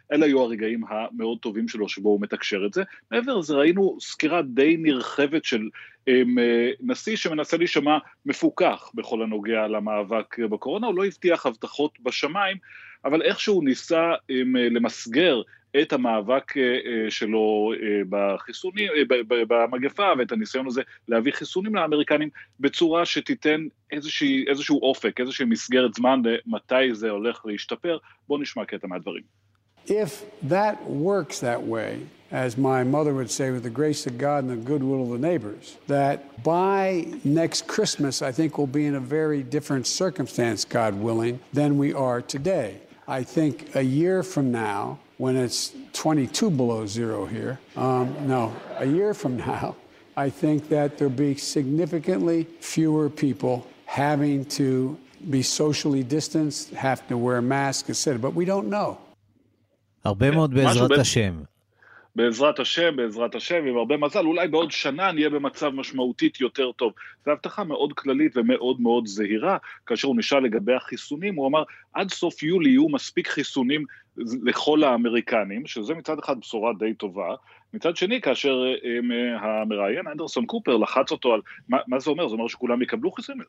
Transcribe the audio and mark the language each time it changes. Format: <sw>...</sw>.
<he>אלה היו הרגעים המאוד טובים שלו, שבו הוא מתקשר את זה. מעבר זה ראינו סקירה די נרחבת של נשיא שמנסה להישמע מפוקח בכל הנוגע למאבק בקורונה, הוא לא הבטיח הבטחות בשמיים, אבל איכשהו ניסה למסגר את המאבק שלו בחיסונים, במגפה, ואת הניסיון הזה להביא חיסונים לאמריקנים, בצורה שתיתן איזשהו אופק, איזושהי מסגרת זמן למתי זה הולך להשתפר. בוא נשמע קטע מהדברים.</he> <en>If that works that way, as my mother would say, with the grace of God and the goodwill of the neighbors, that by next Christmas, I think we'll be in a very different circumstance, God willing, than we are today. I think a year from now, when it's 22 below zero here, a year from now, I think that there'll be significantly fewer people having to be socially distanced, have to wear a mask, etc. But we don't know.</en> <he>הרבה מאוד בעזרת השם. בעזרת השם, בעזרת השם, עם הרבה מזל, אולי בעוד שנה נהיה במצב משמעותית יותר טוב. זו הבטחה מאוד כללית ומאוד מאוד זהירה, כאשר הוא נשאל לגבי החיסונים, הוא אמר, עד סוף יולי יהיו מספיק חיסונים לכל האמריקנים, שזה מצד אחד בשורה די טובה, מצד שני, כאשר המראיין אנדרסון קופר לחץ אותו על, מה זה אומר? זה אומר שכולם יקבלו חיסונים?</he>